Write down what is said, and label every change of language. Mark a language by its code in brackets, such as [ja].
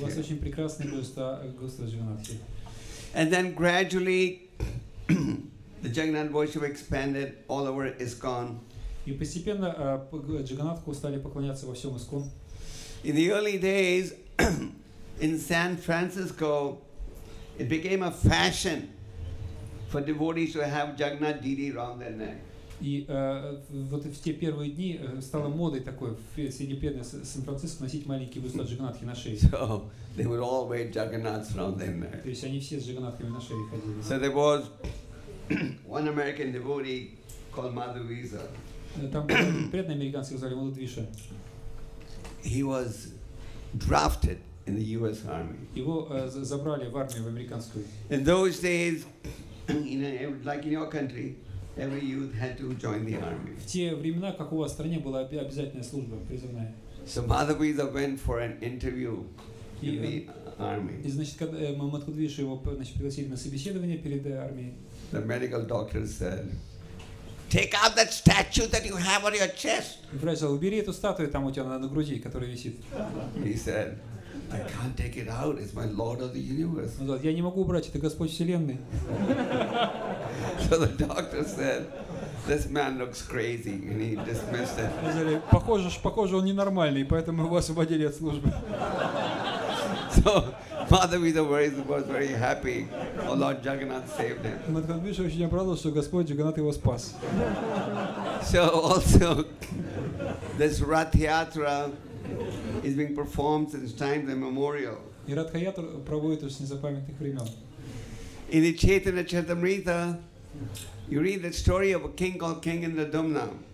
[ru] У вас очень прекрасные места Господа Джагнатхи. [en] And then gradually the Jagannath worship expanded all over ISKCON. [ru] И постепенно Джагнатху стали поклоняться во всем ИСКОН. [en] In the early days in San Francisco, it became a fashion for devotees to have Jagannath deity around their neck. [ru] И вот в те первые дни стало модой такой в Средиземье, в Сан-Франциско носить маленький бусы Джагнатхи на шее. [en] So they would all wear Jagannaths around their neck. [ru] То есть они все с Джагнатхами на шее ходили. [en] So there was one American devotee called Madhuvisa. [ru] Там был преданный американский, звали Мадхувиша. [en] He was drafted in the U.S. Army. [ru] Его забрали в армию в американскую. [en] In those days, you know, like in your country, every youth had to join the army. [ru] В те времена, как у вас в стране, была обязательная служба призывная. [en] So Madhuvisa went for an interview in the army. [ru] И значит, когда Мадхувиша его, значит, пригласили на собеседование перед армией. [en] The medical doctor said, "Take out that statue that you have on your chest." [ru] Врач, убери эту статую там у тебя на груди, которая висит. [en] He said, "I can't take it out. It's my Lord of the Universe." [ru] Он сказал, я не могу убрать, это Господь Вселенной. [en] So the doctor said, "This man looks crazy," and he dismissed it. [ru] Сказали, похоже, он ненормальный, поэтому его освободили от службы. [en] So Madhuvisa was very happy. Oh, Lord Jagannath saved him. [ru] Мадхувиша очень обрадовался, что Господь Джагнат его спас. [en] So also, this Rath Yatra is being performed since time immemorial. [ru] И Ратха Ятра проводит уже с незапамятных времен. [en] In the Chaitanya Charitamrita, you read the story of a king called King Indradumna.